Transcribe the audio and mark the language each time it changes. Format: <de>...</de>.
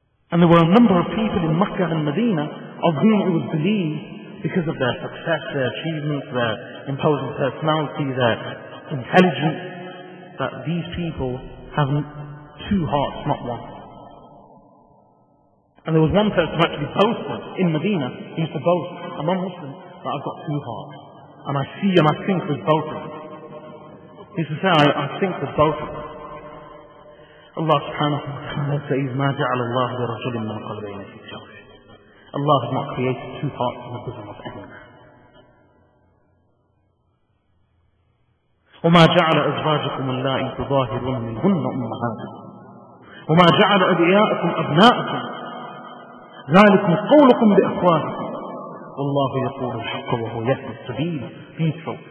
<en>And there were a number of people in Makkah and Medina of whom it was believed, because of their success, their achievements, their imposing personality, their intelligence, that these people have two hearts, not one. And there was one person who actually boasted in Medina, he used to boast among Muslims, that I've got two hearts. And I see and I think with both of them. He used to say, I think with both of them. Allah subhanahu wa ta'ala says,</en> <ar>مَا جَعَلَ اللَّهُ لِرَجُلٍ مِّنْ قَلْبَيْنِ فِي جَوْفِهِ.</ar> <en>Allah has not created two hearts in the bosom of any man.</en> <ar>وَمَا جَعَلَ أَزْوَاجَكُمْ اللَّائِي تُظَاهِرُونَ مِنْهُنَّ أُمَّهَاتِكُمْ وَمَا جَعَلَ أَدْعِيَاءَكُمْ أَبْنَاءَكُمْ ذَلِكُمْ قَوْلُكُمْ بِأَفْوَاهِكُمْ وَاللَّهُ يَقُولُ الْحَقَّ وَهُوَ يَهْدِي السَّبِيلَ.</ar> <en>Beautiful.</en>